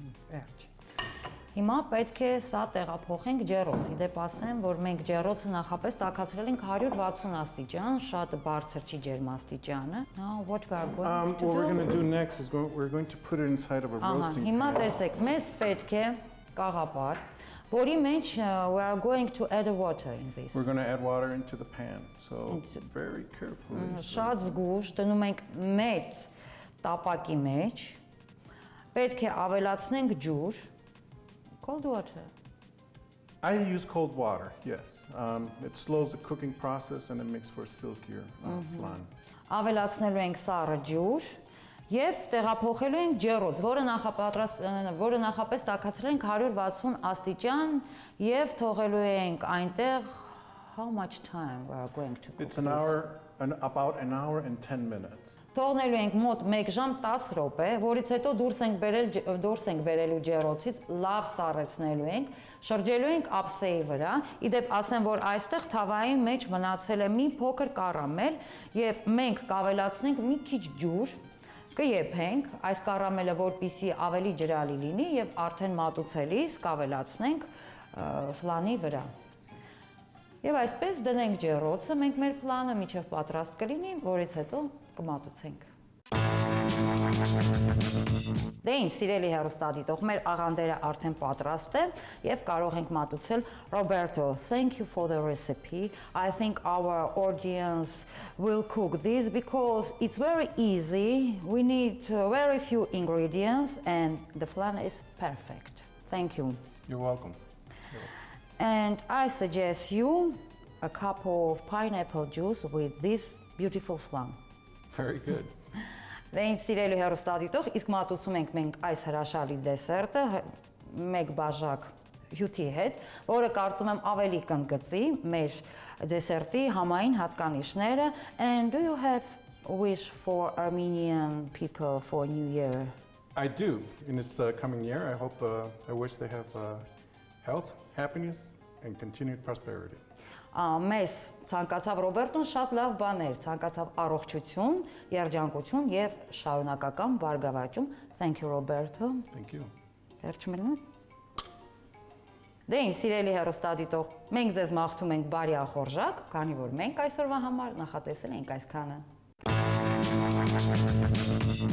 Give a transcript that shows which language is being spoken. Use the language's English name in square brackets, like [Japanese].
[Armenian] Վերջ։ Հիմա պետք է սա տեղափոխենք ջեռոցի։ Դե ասեմ, որ մենք ջեռոցը նախապես տաքացրել ենք 160 աստիճան, շատ բարձր չի ջերմաստիճանը։ [English] Now what we are going to do? What we're going to do next is we're going to put it inside of a roasting pan. [Armenian] Հիմա տեսեք, մեզ պետք է կաղապար, որի մեջ [English] we are going to add water in this. We're going to add water into the pan. So very carefully. [Armenian] Շատ զգուշ, դնում ենք մեծ տապակի մեջ։ Պետք է ավելացնենք ջուր։ [English] Cold water. I use cold water, yes. It slows the cooking process and it makes for silkier flan. [Armenian] Ավելացնելու ենք սառը ջուր եւ տեղափոխելու ենք ջեռոց, որը նախապես տաքացրել ենք 160 աստիճան եւ թողելու ենք այնտեղ [English] how much time we are going to cook. It's an hour and about an hour and 10 minutes. [Armenian] Թողնելու ենք մոտ 1 ժամ 10 րոպե, որից հետո դուրս ենք բերելու ջեռոցից, լավ սառեցնելու ենք, շրջելու ենք ափսեի վրա։ Իդեպ ասեմ, որ այստեղ թավայի մեջ մնացել է մի փոքր կարամել եւ մենք կավելացնենք մի քիչ ջուր, կեփենք այս կարամելը, որպեսզի ավելի ջրալի լինի եւ արդեն մատուցելիս կավելացնենք ֆլանի վրա։ Եվ այսպես դնենք ջեռոցը, մենք մեր ֆլանը միջև պատրաստ կլինի, որից հետո կմատուցենք։ Դե ինչ, սիրելի հեռուստադիտող, մեր աղանդերը արդեն պատրաստ է եւ կարող ենք մատուցել։ [English] Roberto, thank you for the recipe. I think our audience will cook this because it's very easy. We need very few ingredients and the flan is perfect. Thank you. You're welcome. And I suggest you a cup of pineapple juice with this beautiful flan. Very good. [Armenian] Դե ինձ սիրելու հեռուստադիտող, իսկ մատուցում ենք մենք այս հրաշալի դեսերտը մեկ բաժակ հյութի հետ, որը կարծում եմ ավելի կընդգծի մեր դեսերտի համային հատկանիշները. [English] And do you have wish for Armenian people for New Year? I do. In this coming year, I hope I wish they have health, happiness and continued prosperity. [Armenian] Մեզ ցանկացավ Ռոբերտոն շատ լավ բաներ, ցանկացավ առողջություն, երջանկություն եւ շարունակական բարգավաճում։ [English] Thank you Roberto. Thank you. [Armenian] Վերջնական։ Դե ինձ սիրելի հեռուստադիտող, մենք ձեզ մաղթում ենք բարի ախորժակ, քանի որ մենք այսօրվա համար նախատեսել ենք այսքանը։